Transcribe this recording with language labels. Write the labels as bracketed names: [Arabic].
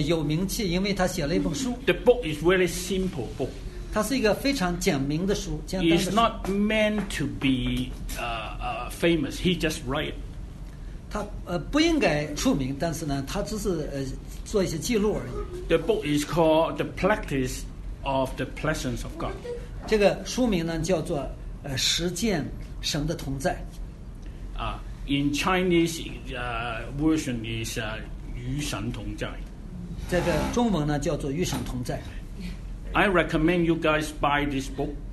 [Chinese] 有名气，因为他写了一本书。 [English] The book is very simple book. [Chinese] 它是一个非常简明的书，简单的书。 [English] It's not meant to be famous. He just write. [Chinese] 他不应该出名，但是呢，他只是做一些记录而已。 [English] The book is called The Practice of the Presence of God. [Chinese] 这个书名呢叫做实践神的同在。 [English] In Chinese version is [Chinese] 与神同在。这个中文呢叫做与神同在。 [English] I recommend you guys buy this book.